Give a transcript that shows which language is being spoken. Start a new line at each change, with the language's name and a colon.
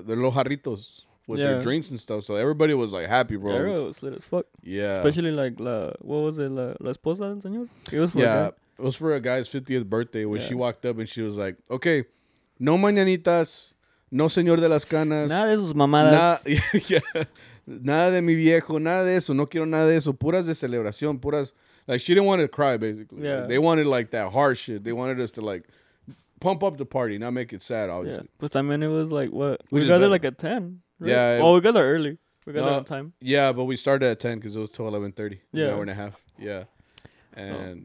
English: They're los jarritos with their drinks and stuff. So everybody was like happy, bro. Yeah, it was lit as fuck. Yeah. Especially like
Spanish: la esposa del señor.
English: It was for a guy's 50th birthday when she walked up and she was like, okay,
Spanish: no mañanitas, no señor de las canas. Nada de sus mamadas. Nada de mi viejo, nada de eso. No quiero nada de eso. Puras de celebración, puras.
English: Like, she didn't want to cry, basically. Yeah. Like, they wanted like that hard shit. They wanted us to like. Pump up the party, not make it sad, obviously. Yeah. But I mean, it was like, what? Which we got there like at 10. Right? Yeah. Well, we got there early. We got there on time. Yeah, but we started at 10 because it was till 11:30. Yeah. An hour and a half. Yeah. And.